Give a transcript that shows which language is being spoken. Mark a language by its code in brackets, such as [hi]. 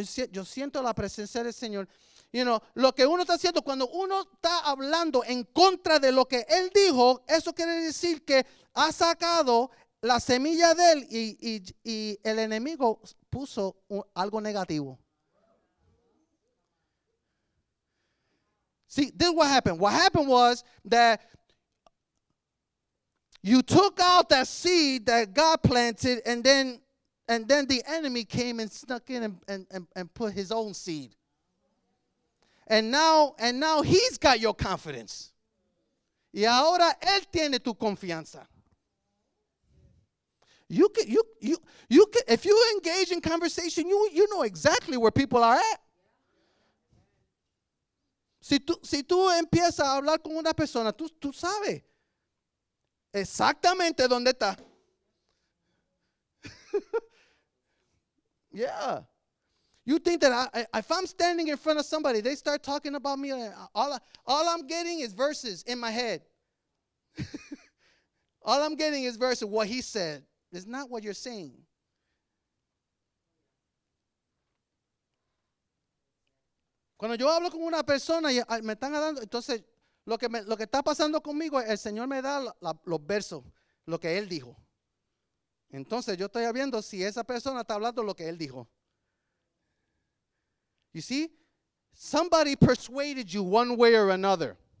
[es] Yo siento la presencia del Señor. [en] You know, [es] lo que uno está haciendo cuando uno está hablando en contra de lo que él dijo, eso quiere decir que ha sacado la semilla de él y el enemigo puso algo negativo. [en] See, this is what happened. What happened was that you took out that seed that God planted, and then the enemy came and snuck in and put his own seed. And now he's got your confidence. [es] Y ahora él tiene tu confianza. [en] You can, if you engage in conversation, you know exactly where people are at. [es] Si tú empiezas a hablar con una persona, tú sabes exactamente dónde está. [en] Yeah. You think that if I'm standing in front of somebody, they start talking about me, all I'm getting is verses in my head. All I'm getting is verses, what he said. It's not what you're saying. [es] Cuando yo hablo con una persona y me están dando, entonces lo que está pasando conmigo, el Señor me da los versos, lo que él dijo. Entonces yo estoy viendo si esa persona está hablando lo que él dijo. [en] You see, somebody persuaded you one way or another.